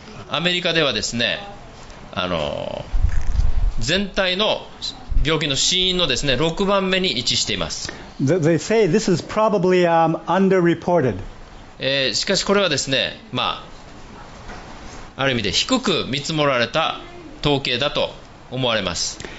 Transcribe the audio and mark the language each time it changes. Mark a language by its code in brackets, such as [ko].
[ja] アメリカではですね、全体の病気の死因のですね、6番目に位置しています。 [en] They say this is probably underreported. [ja] しかしこれはですね、まあ、ある意味で低く見積もられた統計だと思われます。